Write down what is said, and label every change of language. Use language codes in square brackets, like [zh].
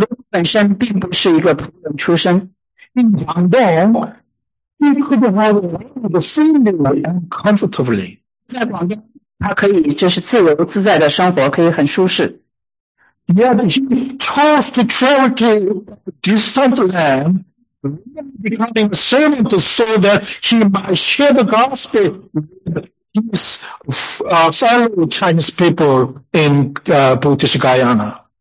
[zh] 本身并不是一个仆人出身。 [en] In Guangdong, he could have lived freely and comfortably. [zh] 在广东，他可以就是自由自在的生活，可以很舒适。 [en] Yet he chose to travel to a distant land, becoming a servant so that he might share the gospel with his fellow Chinese people in British Guyana.